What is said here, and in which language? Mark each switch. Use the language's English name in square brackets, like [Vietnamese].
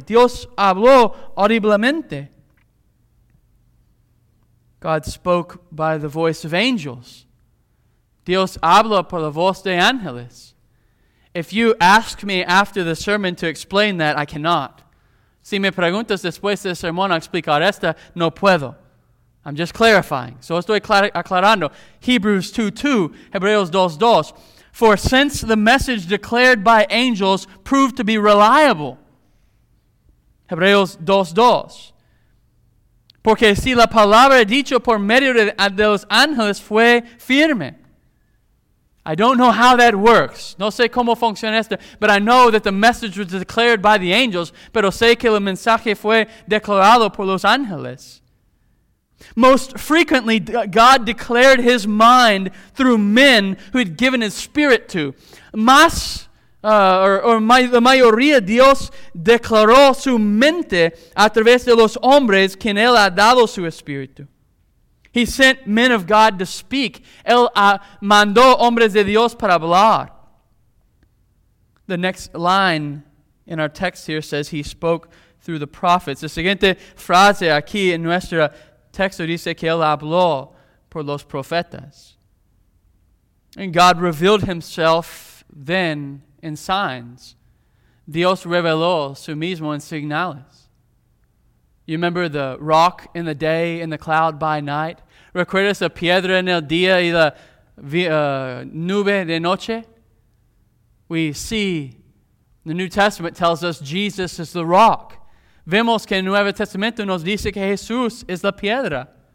[Spanish] Dios habló audiblemente. [English] God spoke by the voice of angels. [Spanish] Dios habla por la voz de ángeles. [English] If you ask me after the sermon to explain that, I cannot. [Spanish] Si me preguntas después del sermón a explicar esta, no puedo. [English] I'm just clarifying. So [Spanish] estoy aclarando. [English] Hebrews 2:2, Hebreos 2:2. For since the message declared by angels proved to be reliable, Hebreos 2:2. [Spanish] Porque si la palabra dicho por medio de los ángeles fue firme, [English] I don't know how that works. [Spanish] No sé cómo funciona esto. [English] But I know that the message was declared by the angels. [Spanish] Pero sé que el mensaje fue declarado por los ángeles. [English] Most frequently, God declared his mind through men who had given his spirit to. [Spanish] La mayoría Dios declaró su mente a través de los hombres quien él ha dado su espíritu. [English] He sent men of God to speak. [Spanish] Él mandó hombres de Dios para hablar. [English] The next line in our text here says he spoke through the prophets. [Spanish] La siguiente frase aquí en nuestro texto dice que él habló por los profetas. [English] And God revealed himself then in signs. [Spanish] Dios reveló su mismo en señales. [English] You remember the rock in the day and the cloud by night? [Spanish] ¿Recuerdas la piedra en el día y la nube de noche? [English] We see the New Testament tells us Jesus is the rock. [Spanish] Vemos que el Nuevo Testamento nos dice que Jesús es la piedra.